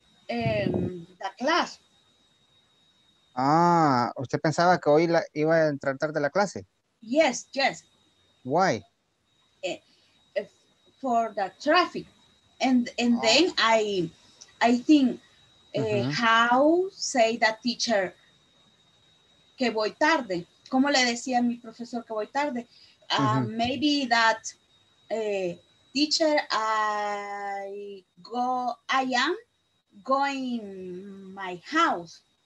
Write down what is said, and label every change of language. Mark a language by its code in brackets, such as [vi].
[en] I think that I go late the class. [es] Ah, usted pensaba que hoy iba a entrar tarde la clase. [en] Yes, yes. Why? For the traffic. And then I think how say that teacher [es] que voy tarde. ¿Cómo le decía mi profesor que voy tarde? [en] Maybe that teacher I am going my house.